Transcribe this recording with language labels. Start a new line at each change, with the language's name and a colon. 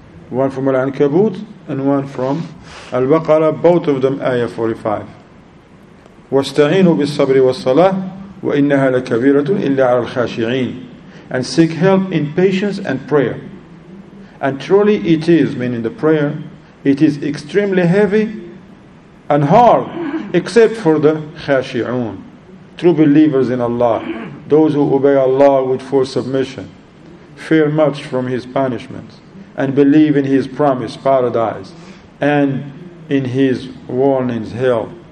English: One from Al-Ankabut and one from Al-Baqarah. Both of them ayah 45.
Arabic: واستعينوا بالصبر والصلاة وإنها لكبيرة إلا على الخاشعين.
English: And seek help in patience and prayer. And truly it is, meaning the prayer, it is extremely heavy and hard, except for the khashi'un, true believers in Allah, those who obey Allah with full submission, fear much from His punishment, and believe in His promise, paradise, and in His warnings, hell.